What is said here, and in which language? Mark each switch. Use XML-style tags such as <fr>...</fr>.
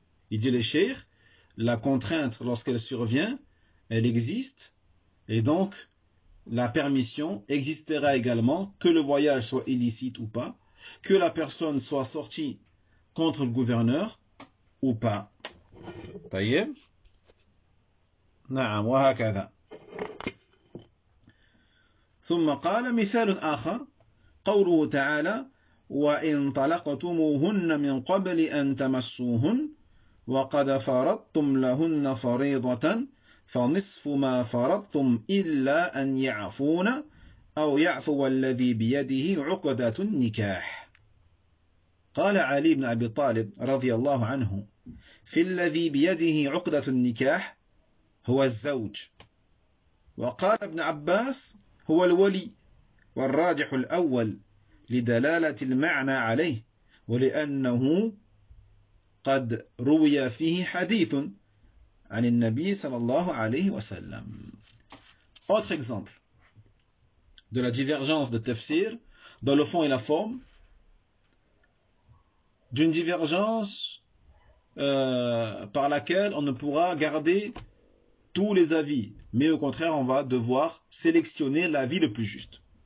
<fr>Il dit le cheikh, la contrainte, lorsqu'elle survient, elle existe, et donc la permission existera également, que le voyage soit illicite ou pas, que la personne soit sortie contre le gouverneur ou pas.</fr> <ar>طيب نعم وهكذا ثم قال مثال آخر قوله تعالى وإن طلقتموهن من قبل أن تمسوهن وقد فرضتم لهن فريضة فنصف ما فرضتم إلا أن يعفون أو يعفو الذي بيده عقدة النكاح قال علي بن أبي طالب رضي الله عنه في الذي بيده عقدة النكاح هو الزوج وقال ابن عباس هو الولي والراجح الأول لدلالة المعنى عليه ولأنه قد روي فيه حديث عن النبي صلى الله عليه وسلم.</ar> <fr>Autre exemple de la divergence de tafsir dans le fond et la forme. d'une divergence par laquelle on ne pourra garder tous les avis, mais au contraire, on va devoir sélectionner l'avis le plus juste.</fr>